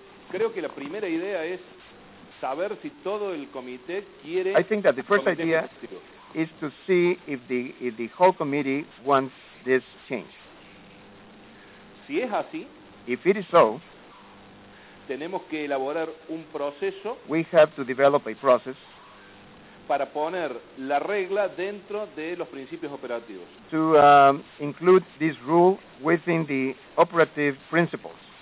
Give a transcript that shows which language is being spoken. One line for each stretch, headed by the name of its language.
Spanish: Creo que la primera idea es saber si todo el comité quiere...
English: I think that the first idea is to see if the whole committee wants this change.
Spanish: Si es así,
English: if it is so,
Spanish: tenemos que elaborar un proceso...
English: We have to develop a process...
Spanish: para poner la regla dentro de los principios operativos.
English: To include this rule within the operative principles.